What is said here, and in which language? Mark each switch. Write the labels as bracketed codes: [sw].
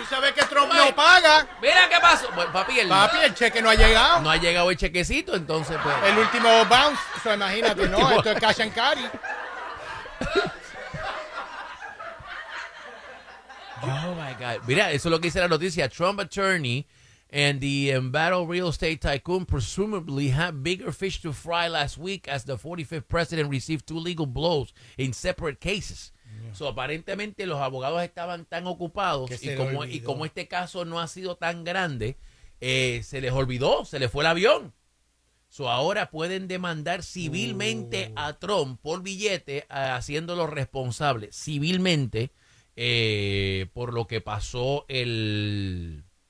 [es] Tú sabes que Trump no paga. Mira qué pasó. Bueno, papi, el cheque no ha llegado. No ha llegado el chequecito, entonces, pues. El último bounce. So, imagínate, ¿no? Último. Esto es [en] cash and carry. Oh my God. [es] Mira, eso es lo que dice la noticia. [en] Trump attorney and the embattled real estate tycoon presumably had bigger fish to fry last week as the 45th president received two legal blows in separate cases. Yeah. [es] So, aparentemente los abogados estaban tan ocupados y como este caso no ha sido tan grande, se les olvidó, se les fue el avión. So ahora pueden demandar civilmente a Trump por billete, haciéndolo responsable civilmente por lo que pasó el...